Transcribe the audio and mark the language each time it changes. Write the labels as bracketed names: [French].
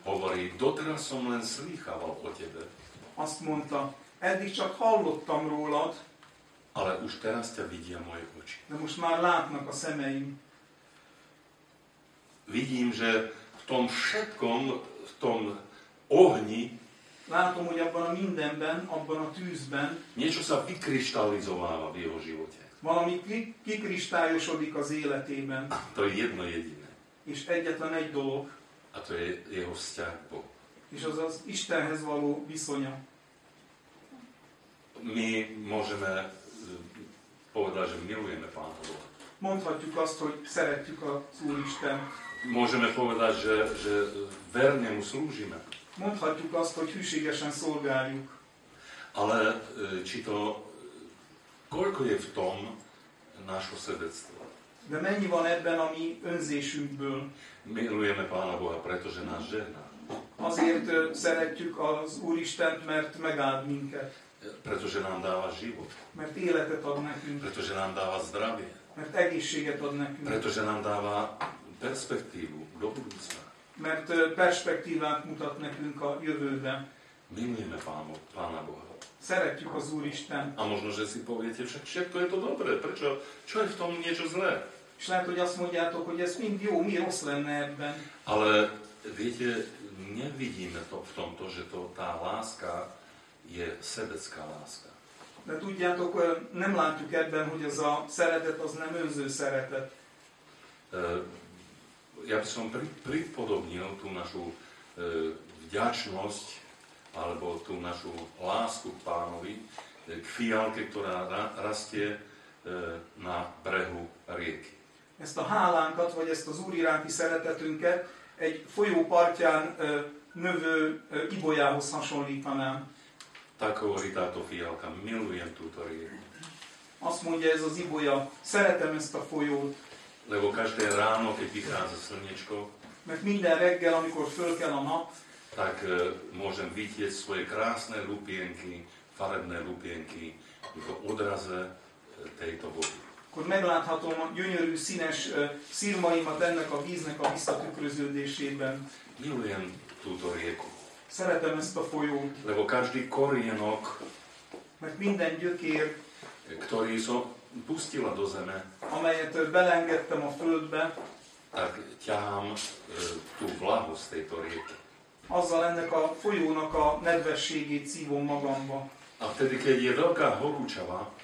[Slovak] hovorí, doteraz som len slýchaval o tebe. [Hungarian] Azt mondta, eddig csak hallottam rólad. [Slovak] Ale už teraz te vidia moje oči. [Hungarian] De most már látnak a szemeim. [Slovak] Vidím, že v tom všetkom, v tom ohni, [Hungarian] látom, hogy abban a mindenben, abban a tűzben, [Slovak] niečo sa vykrištalizováva v jeho živote. [Hungarian] Valami kikristályosodik az életében. [Slovak] A to je jedno jediné. [Hungarian] És egyetlen egy dolog. [Slovak] A to je jeho vzťah Boh. [Hungarian] És az az Istenhez való viszonya. [Slovak] My môžeme povedať, že milujeme Pána Boha. [Hungarian] Mondhatjuk azt, hogy szeretjük az Úr Isten. [Slovak] Môžeme povedať, že verne mu slúžime. [Hungarian] Mondhatjuk azt, hogy hűségesen szolgáljuk. [Slovak] Ale či to, koľko je v tom nášho svedectva? [Hungarian] De mennyi van ebben a mi önzésünkből? [Slovak] Milujeme Pána Boha, pretože nás žehná. [Hungarian] Azért szeretjük az Úr Istent, mert megáld minket. [Slovak] Pretože nám dáva život. [Hungarian] Mert életet ad nekünk. [Slovak] Pretože nám dáva zdravie. [Hungarian] Mert egészséget ad nekünk. [Slovak] Pretože nám dáva perspektívu do budúcna. [Hungarian] Mert perspektívát mutat nekünk a jövőben. [Slovak] Milujeme Pána Boha. [Hungarian] Szeretjük az Úr Isten. [Slovak] A možno, že si poviete, však všetko je to dobré. Prečo? Čo je v tom niečo zlé? [Hungarian] És lehet, hogy azt mondjátok, hogy ez mind jó, mi rossz lenne ebben. [Slovak] Ale viete, nevidíme to v tom, že to tá láska je sebecká láska. [Hungarian] De tudjátok, nem látjuk ebben, hogy ez a szeretet, az nem önző szeretet. [Slovak] Ja by som pripodobnil tú našu vďačnosť, alebo tú našu lásku k Pánovi, k fialke, ktorá rastie na brehu rieky. [Hungarian] Ezt a hálánkat, vagy ezt az Úr iránti szeretetünket egy folyó partján növő ibolyához hasonlítanám. [Slovak] Tak hovorí táto fialka, milujem túto rieku. [Hungarian] Azt mondja ez az ibolya, szeretem ezt a folyót. [Slovak] Lebo každé ráno, keď vychádza slniečko, [Hungarian] mert minden reggel, amikor fölkel a nap, [Slovak] tak môžem vidieť svoje krásne lupienky, farebné lupienky, ako odraze tejto vody. [Hungarian] Akkor megláthatom a gyönyörű színes szirmaimat ennek a víznek a visszatükröződésében. [Slovak] Milujem túto rieku. [Hungarian] Szeretem ezt a folyót. [Slovak] Lebo každý korienok, [Hungarian] mert minden gyökér, [Slovak] ktorý som pustila do zeme, [Hungarian] amelyet belengedtem a földbe, [Slovak] tak ťahám tú vlahu z tejto rieky. [Hungarian] Azzal ennek a folyónak a nedvességét szívom magamba. [Slovak] A vtedy, keď je veľká horúčava,